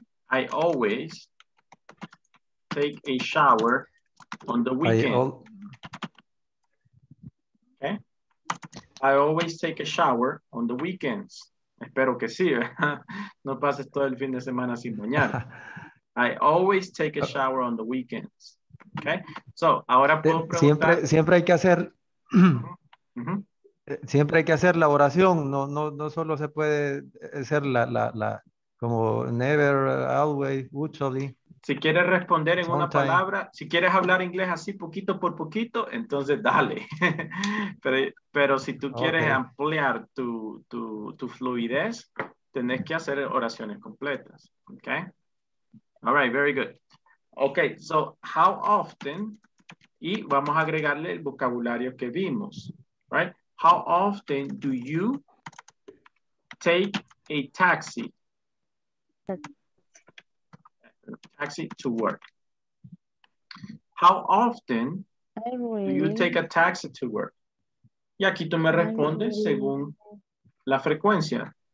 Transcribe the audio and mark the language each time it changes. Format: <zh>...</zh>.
<en>I always take a shower on the weekend. I always take a shower on the weekends.</en> <es>Espero que sí. No pases todo el fin de semana sin bañar.</es> <en>I always take a shower on the weekends.</en> <es>Okay. So, ahora puedo preguntar. Siempre hay que hacer. Siempre hay que hacer la oración. No solo se puede hacer la como never, always, usually. Si quieres responder en sometime. Una palabra, si quieres hablar inglés así poquito por poquito, entonces dale. Pero si tú quieres okay. ampliar tu fluidez, tenés que hacer oraciones completas.</es> <en>Okay. All right, very good. Okay, so how often,</en> <es>y vamos a agregarle el vocabulario que vimos,</es> <en>right? How often do you take a taxi? Taxi to work. How often do you take a taxi to work?</en> <es>Y aquí tú me respondes según la frecuencia.</es>